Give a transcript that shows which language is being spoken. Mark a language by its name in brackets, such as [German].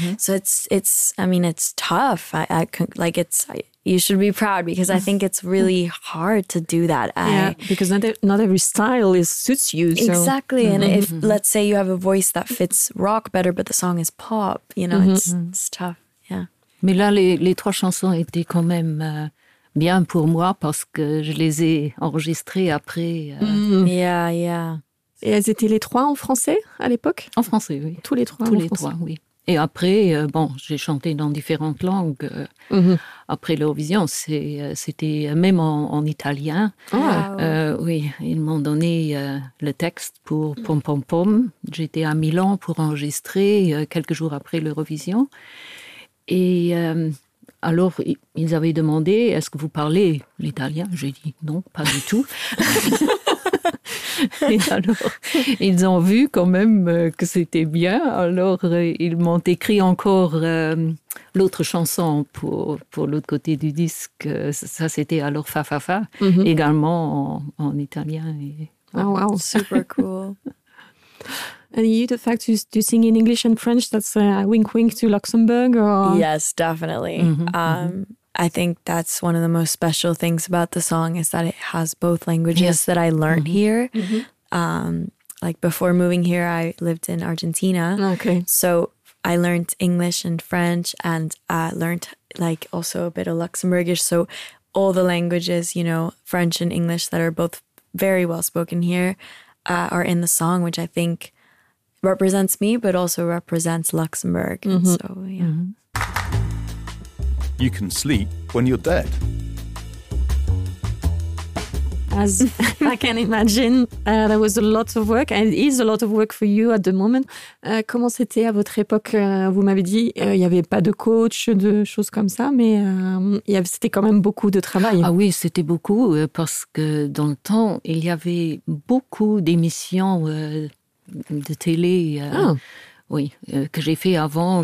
[English] So it's I mean, it's tough. I you should be proud because I think it's really hard to do that. Because not every style suits you. So. Exactly. And if, let's say you have a voice that fits rock better, but the song is pop, you know, it's tough. [French] Mais là, les trois chansons étaient quand même bien pour moi parce que je les ai enregistrées après. Et elles étaient les trois en français à l'époque? En français, oui. Tous les trois Tous en les français. Trois, oui. Et après, bon, j'ai chanté dans différentes langues. Après l'Eurovision, c'était même en italien. Oui, ils m'ont donné le texte pour Pom Pom Pom. J'étais à Milan pour enregistrer quelques jours après l'Eurovision. Et alors, ils avaient demandé, est-ce que vous parlez l'italien? J'ai dit, non, pas du tout. Et alors, ils ont vu quand même que c'était bien. Alors, ils m'ont écrit encore l'autre chanson pour l'autre côté du disque. Ça, c'était alors Fa Fa Fa, également en italien. Et, voilà. Oh, wow, [English] super cool. And you, the fact you sing in English and French, that's a wink-wink to Luxembourg? Or? Yes, definitely. I think that's one of the most special things about the song is that it has both languages that I learned here. Like before moving here, I lived in Argentina. So I learned English and French and I learned like also a bit of Luxembourgish. So all the languages, you know, French and English that are both very well spoken here are in the song, which I think... represents me, but also represents Luxembourg. So, You can sleep when you're dead. As I can imagine, that was a lot of work, and it is a lot of work for you at the moment. [French] Comment c'était à votre époque? Vous m'avez dit, il n'y avait pas de coach, de choses comme ça, mais c'était quand même beaucoup de travail. Ah oui, c'était beaucoup, parce que dans le temps, il y avait beaucoup d'émissions... de télé, que j'ai fait avant.